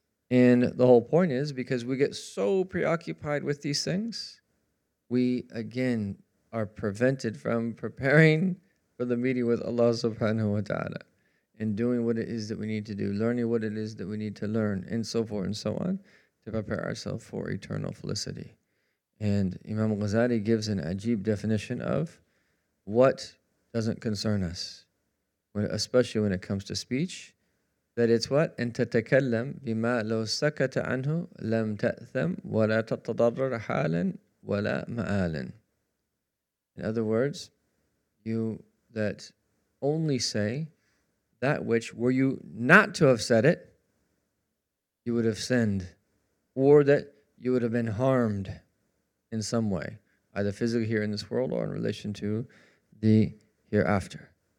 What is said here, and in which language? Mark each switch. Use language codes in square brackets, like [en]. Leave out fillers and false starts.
[en] And the whole point is, because we get so preoccupied with these things, we again are prevented from preparing for the meeting with Allah subhanahu wa ta'ala and doing what it is that we need to do, learning what it is that we need to learn, and so forth and so on, to prepare ourselves for eternal felicity. And Imam Ghazali gives an ajib definition of what doesn't concern us, especially when it comes to speech, that it's what? [ar] أن تتكلم بما لو سكت عنه لم تأثم ولا تتضرر حالا ولا مآلا. [en] In other words, you that only say that which, were you not to have said it, you would have sinned, or that you would have been harmed in some way, either physically here in this world or in relation to the hereafter.